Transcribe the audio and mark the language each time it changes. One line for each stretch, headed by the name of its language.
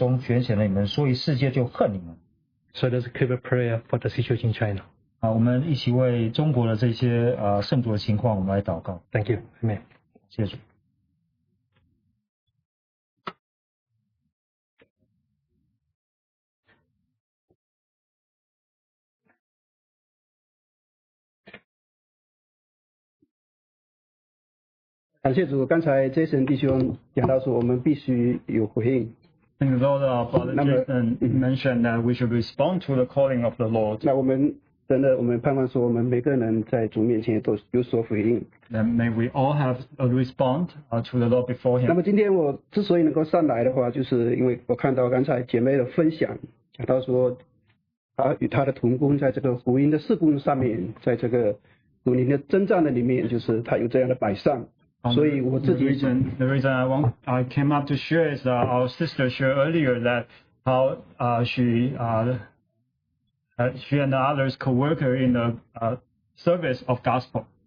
Chinese: 你们若属世界，世界必爱属自己的。只因你们不属世界，乃是我从世界中拣选了你们，所以世界就恨你们。So
English: let's keep a prayer for the situation in China.
Chinese: 我们一起为中国的这些圣徒的情况，我们来祷告。Thank
English: you. Amen.
Chinese: 谢谢主。感谢主，刚才Jason弟兄讲到说，我们必须有回应。
English: think Lord Brother Jason mentioned that we should respond to the calling of the Lord.
Chinese: 真的，我们盼望说，我们每个人在主面前都有所回应。
English: Then may we all have a response to the Lord before Him.
Chinese: 那么今天我之所以能够上来的话，就是因为我看到刚才姐妹的分享，讲到说，他与他的同工在这个福音的事工上面，在这个福音的征战的里面，就是他有这样的摆上，所以我自己。
English: The reason I came up to share is that our sister shared earlier that how she and the others co-worker in the service of gospel.